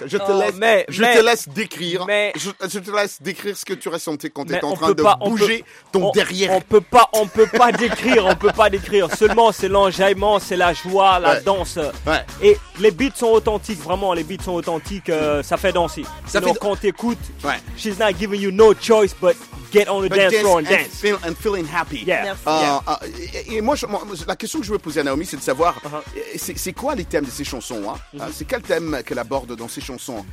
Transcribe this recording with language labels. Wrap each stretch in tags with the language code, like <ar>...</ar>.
<fr>Je te laisse décrire ce que tu ressentais quand tu étais en train de bouger ton derrière. On peut pas décrire. Seulement, c'est l'enjaillement, c'est la joie, la danse. Ouais. Et les beats sont authentiques, vraiment. Les beats sont authentiques. Ça fait danser. Quand t'écoutes,</fr> <en>she's not giving you no choice, but get on the but dance floor and dance. And feeling happy. Yeah.</en> <fr>Et moi, la question que je veux poser à Naomi, c'est de savoir, c'est quoi les thèmes de ces chansons, hein? Mm-hmm. C'est quel thème qu'elle aborde dans ses chansons?</fr>